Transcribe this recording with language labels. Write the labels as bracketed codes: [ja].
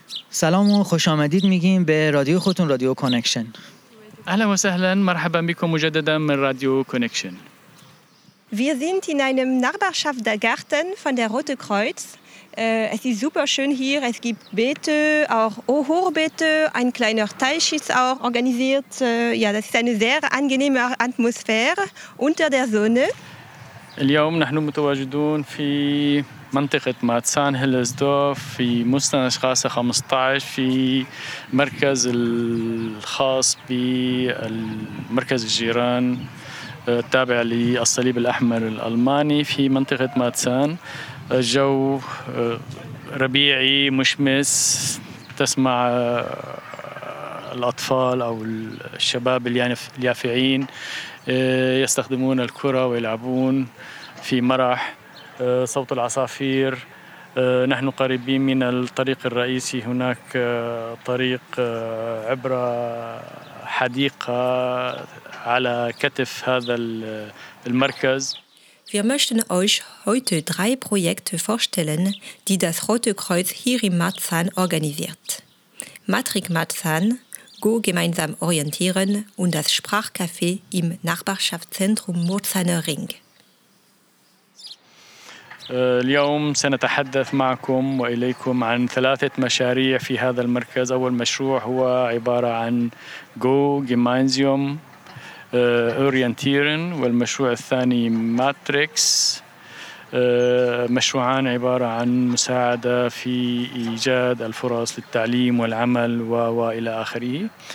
[de] Salam und [fa] خوش آمدید میگیم به رادیو خودتون رادیو کانکشن. [ar] اهلا وسهلا مرحبا بكم مجددا من راديو كونكشن. [de] Wir sind in einem Nachbarschaft der Garten von der Rote Kreuz. Es ist super schön hier. Es gibt Beete, auch Hochbeete. Ein kleiner Teich ist auch organisiert. Ja, das ist eine sehr angenehme Atmosphäre unter der Sonne. [ar] اليوم نحن متواجدون في منطقة ماتسان هيلزدورف في مستنشقاسة 15 في مركز الخاص بمركز الجيران التابع للصليب الأحمر الألماني في منطقة ماتسان. الجو ربيعي مشمس تسمع الأطفال أو الشباب اليافعين يستخدمون الكرة ويلعبون في مرح صوت العصافير نحن قريبين من الطريق الرئيسي هناك طريق عبر حديقة على كتف هذا المركز. [de] Wir möchten euch heute drei Projekte vorstellen, die das Rote Kreuz hier in Marzahn organisiert. Matrik Marzahn, Go gemeinsam orientieren und das Sprachcafé im Nachbarschaftszentrum Murzahner Ring. [ar] اليوم سنتحدث معكم وإليكم عن ثلاثة مشاريع في هذا المركز. أول مشروع هو عبارة عن Go gemeinsam orientieren والمشروع الثاني ماتريكس مشروعان عبارة عن مساعدة في إيجاد الفرص للتعليم والعمل وإلى آخره.